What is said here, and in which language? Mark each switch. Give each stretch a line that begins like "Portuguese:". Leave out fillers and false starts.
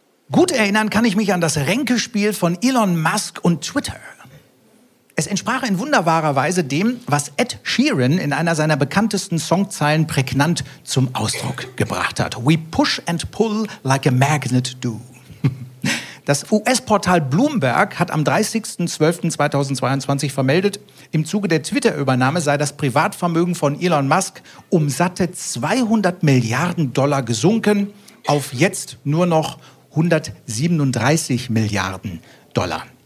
German: Gut erinnern kann ich mich an das Ränkespiel von Elon Musk und Twitter. Es entsprach in wunderbarer Weise dem, was Ed Sheeran in einer seiner bekanntesten Songzeilen prägnant zum Ausdruck gebracht hat.
English: We push and pull like a magnet do.
German: Das US-Portal Bloomberg hat am 30.12.2022 vermeldet, im Zuge der Twitter-Übernahme sei das Privatvermögen von Elon Musk um satte 200 Milliarden Dollar gesunken auf jetzt nur noch 137 Milliarden Dollar.